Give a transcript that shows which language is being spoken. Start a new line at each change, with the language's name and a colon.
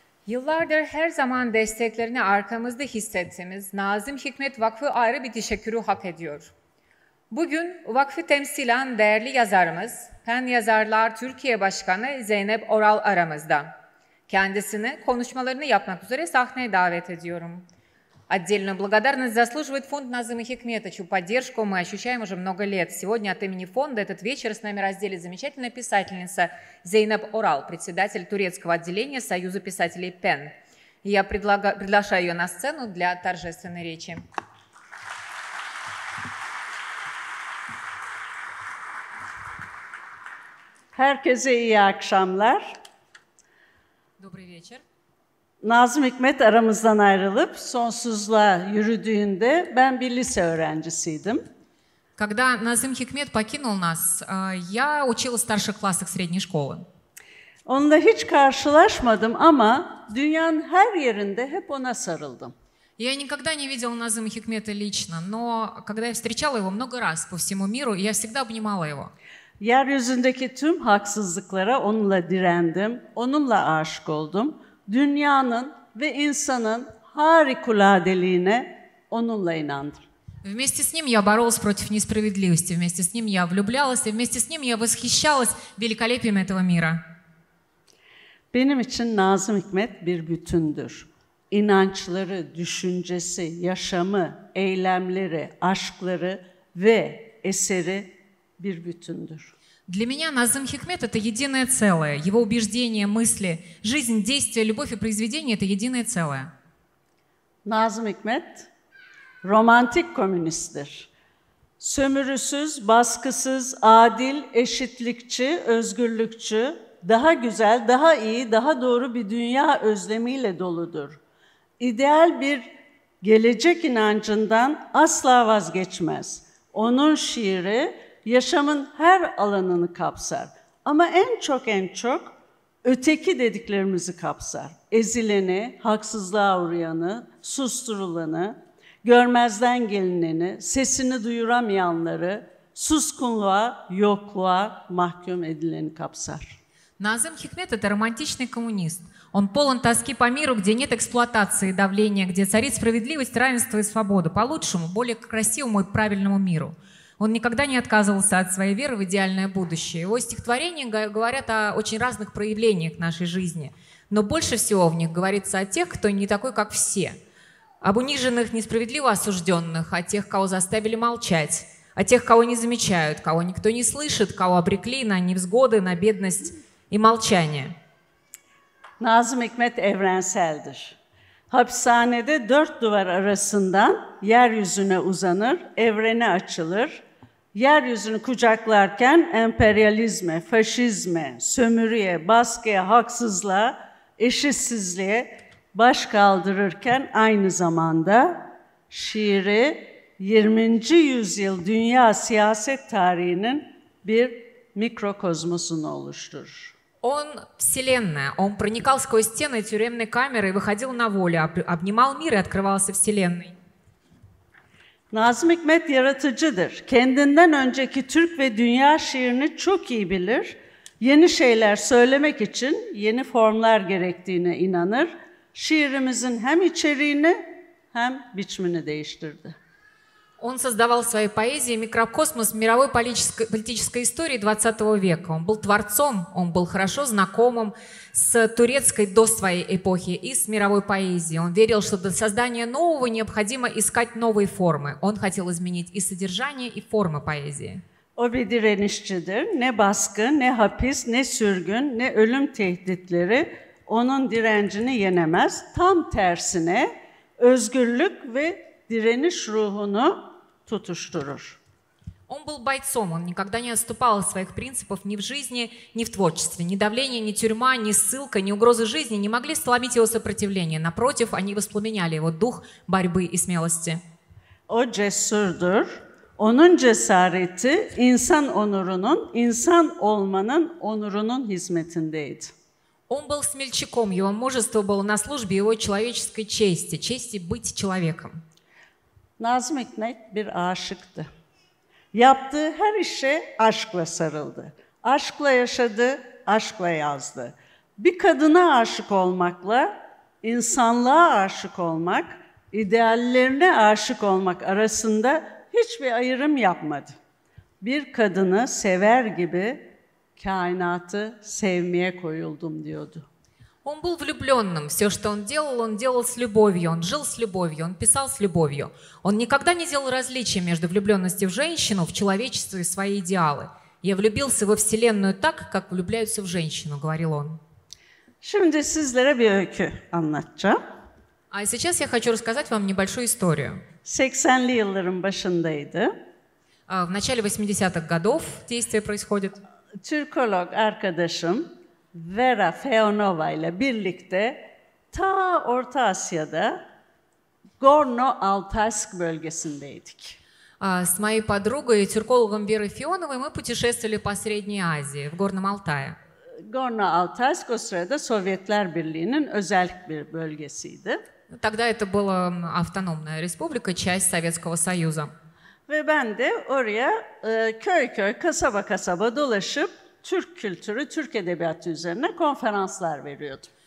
Turkish: Yıllardır her zaman desteklerini arkamızda hissettiğimiz Nazım Hikmet Vakfı ayrı bir teşekkürü hak ediyor. Bugün vakfı temsilen değerli yazarımız, Pen Yazarlar Türkiye Başkanı Zeynep Oral aramızda. Kendisini konuşmalarını yapmak üzere sahneye davet ediyorum.
Russian: Отдельную благодарность заслуживает фонд Назым Хикмета, чью поддержку мы ощущаем уже много лет. Сегодня от имени фонда этот вечер с нами разделит замечательная писательница Зейнеп Орал, председатель турецкого отделения Союза писателей ПЕН. Я приглашаю ее на сцену для торжественной речи.
Turkish: Herkese iyi akşamlar.
Russian: Добрый вечер.
Turkish: Nazım Hikmet aramızdan ayrılıp sonsuzluğa yürüdüğünde ben bir lise öğrencisiydim.
Russian: Когда Назым Хикмет покинул нас, я училась в старших классах средней школы.
Turkish: Onunla hiç karşılaşmadım ama dünyanın her yerinde hep ona sarıldım.
Russian: Я никогда не видела Назым Хикмета лично, но когда я встречала его много раз по всему миру, я всегда обнимала его.
Turkish: Yeryüzündeki tüm haksızlıklara onunla direndim, onunla aşık oldum. Dünyanın ve insanın harikuladeliğine onunla inandım.
Russian: Вместе с ним я боролась против несправедливости, вместе с ним я влюблялась, вместе с ним я восхищалась великолепием этого мира.
Turkish: Benim için Nazım Hikmet bir bütündür. İnançları, düşüncesi, yaşamı, eylemleri, aşkları ve eseri bir bütündür.
Russian: Для меня Назым Хикмет — это единое целое. Его убеждения, мысли, жизнь, действия, любовь и произведения — это единое целое.
Turkish: Назым Хикмет — романтик коммунистер. Сөмürüсüz, baskısız, adil, eşitlikçi, özgürlükçü, daha güzel, daha iyi, daha doğru bir dünya özlemiyle doludur. İdeal bir gelecek inancından asla vazgeçmez. Onun şiiri yaşamın her alanını kapsar. Ama en çok öteki dediklerimizi kapsar. Ezileni, haksızlığa uğrayanı, susturulanı, görmezden gelineni, sesini duyuramayanları, suskunluğa, yokluğa mahkum edileni kapsar.
Russian: Nazım Hikmet это романтичный коммунист. Он полон тоски по миру, где нет эксплуатации и давления, где царит справедливость, равенство и свобода, по лучшему, более красивому и правильному миру. Он никогда не отказывался от своей веры в идеальное будущее. Его стихотворения говорят о очень разных проявлениях нашей жизни. Но больше всего в них говорится о тех, кто не такой, как все. Об униженных, несправедливо осужденных, о тех, кого заставили молчать, о тех, кого не замечают, кого никто не слышит, кого обрекли на невзгоды, на бедность и молчание.
Turkish: Назым Хикмет evrenseldir. Hapishanede dört duvar arasından yeryüzüne uzanır, evrene açılır. Yeryüzünü kucaklarken emperyalizme, faşizme, sömürüye, baskıya, haksızlığa, eşitsizliğe baş kaldırırken aynı zamanda şiiri 20. yüzyıl dünya siyaset tarihinin bir mikrokozmosunu oluşturur.
Russian: Он — вселенная. Он проникал сквозь стены тюремной камеры и выходил на волю, обнимал мир и открывался вселенной.
Turkish: Назым Хикмет — yaratıcıdır. Kendinden önceki Türk ve dünya şiirini çok iyi bilir. Yeni şeyler söylemek için yeni formlar gerektiğine inanır. Şiirimizin hem içeriğini hem biçimini değiştirdi.
Russian: Он создавал в своей поэзии микрокосмос мировой политической истории 20 века. Он был творцом, он был хорошо знакомым с турецкой до своей эпохи и с мировой поэзией. Он верил, что для создания нового необходимо искать новые формы. Он хотел изменить и содержание, и формы поэзии.
Turkish: O bir direnişçidir. Ne baskı, ne hapis, ne sürgün, ne ölüm tehditleri onun direncini yenemez. Tam tersine özgürlük ve direniş ruhunu tutuşturur.
Russian: Он был бойцом, он никогда не отступал от своих принципов ни в жизни, ни в творчестве. Ни давление, ни тюрьма, ни ссылка, ни угрозы жизни не могли сломить его сопротивление. Напротив, они воспламеняли его дух борьбы и смелости.
Turkish: О cesurdur. Onun cesareti insan onurunun, insan olmanın onurunun hizmetindeydi.
Russian: Он был смельчаком, его мужество было на службе его человеческой чести, чести быть человеком.
Turkish: Nazım Hikmet bir aşıktı. Yaptığı her işe aşkla sarıldı. Aşkla yaşadı, aşkla yazdı. Bir kadına aşık olmakla insanlığa aşık olmak, ideallerine aşık olmak arasında hiçbir ayrım yapmadı. Bir kadını sever gibi kainatı sevmeye koyuldum diyordu.
Russian: Он был влюблённым. Всё, что он делал с любовью. Он жил с любовью, он писал с любовью. Он никогда не делал различия между влюблённостью в женщину, в человечество и свои идеалы. Я влюбился во вселенную так, как влюбляются в женщину, говорил он.
Turkish: Şimdi sizlere bir öykü anlatacağım.
Russian: А сейчас я хочу рассказать вам небольшую историю.
Turkish: 80'li yılların başındaydı.
Russian: В начале 80-х годов действие происходит.
Turkish: Türkolog arkadaşım Vera Feonova ile birlikte ta Orta Asya'da Gorno-Altaysk bölgesindeydik.
Russian: С моей подругой и тюркологом Верой Феоновой мы путешествовали по Средней Азии, в Горном Алтае.
Turkish: Gorno-Altaysk o sırada Sovyetler Birliği'nin özel bir bölgesiydi.
Russian: Тогда это была автономная республика, часть Советского Союза.
Turkish: Ve ben de oraya köy köy, kasaba kasaba dolaşıp Türk kültürü, Türk edebiyatı üzerine konferanslar veriyordum.